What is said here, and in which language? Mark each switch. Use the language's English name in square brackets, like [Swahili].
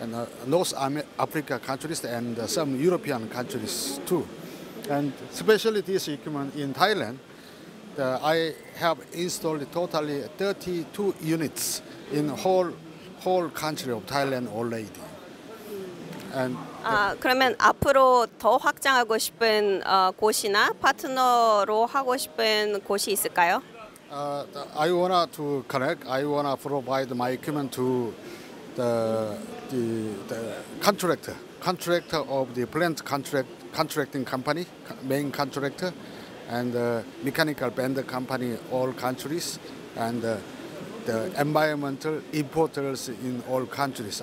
[English] and North Africa countries, and some European countries too. And especially this equipment in Thailand, I have installed totally 32 units in whole country of Thailand already. And [Korean] 그러면 앞으로 더 확장하고 싶은 곳이나 파트너로 하고 싶은 곳이 있을까요? [English] I wanna provide my equipment to the contractor of the plant contracting company, main contractor, and the mechanical vendor company, all countries, and the environmental importers in all countries.